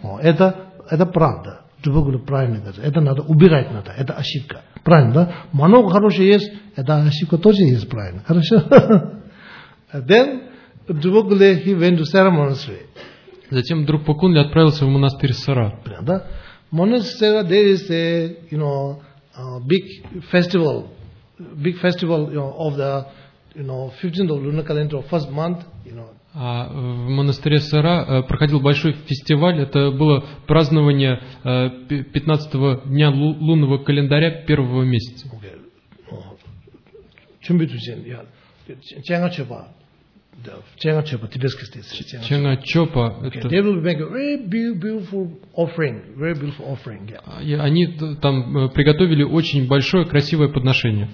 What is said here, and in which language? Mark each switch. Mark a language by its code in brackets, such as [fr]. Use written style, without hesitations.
[ru] О, это правда. Дубогуру правильно говорит, это надо убирать, надо, это ошибка. Правильно, да? Много хорошего есть, это ошибка тоже есть правильно. [en] Хорошо? Then, Dubogule, he went to Sara monastery. [ru] Затем Друкпа Кунли отправился в монастырь Сара. Понятно, да? [en] Monastery Sara, there is a, you know, big festival, you know, of the, you know, 15th of lunar calendar, first month, you know. [ru] А в монастыре Сара проходил большой фестиваль. Это было празднование 15-го дня лунного календаря первого месяца. Ченгачопа, это... Они там приготовили очень большое, красивое подношение.